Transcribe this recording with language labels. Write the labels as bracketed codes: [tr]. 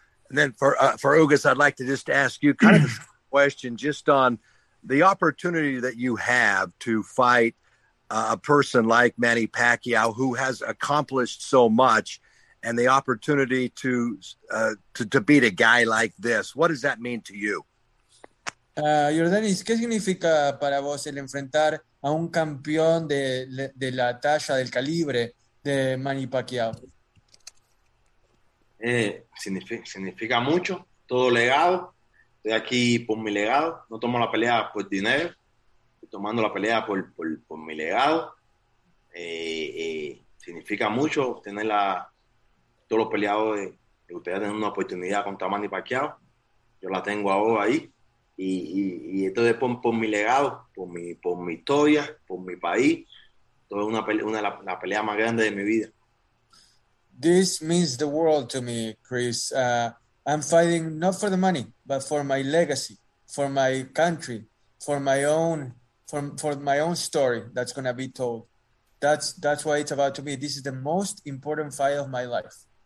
[en] And then for Ugas, I'd like to just ask you kind of a question just on the opportunity that you have to fight a person like Manny Pacquiao, who has accomplished so much, and the opportunity to beat a guy like this. What does that mean to you? [es] Yordenis, ¿qué significa para vos el enfrentar a un campeón de la talla, del calibre de Manny Pacquiao? Significa mucho, todo legado. Estoy aquí por mi legado. No tomo la pelea por dinero, estoy tomando la pelea por mi legado. Significa mucho tener todos los peleadores de ustedes tener una oportunidad contra Manny Pacquiao. Yo la tengo ahora ahí. Y esto es por mi legado, por mi historia, por mi país. Esto es una de las peleas más grandes de mi vida. [en] This means the world to me, Chris. I'm fighting not for the money, but for my legacy, for my country, for my own story that's going to be told. That's why it's about to me. This is the most important fight of my life.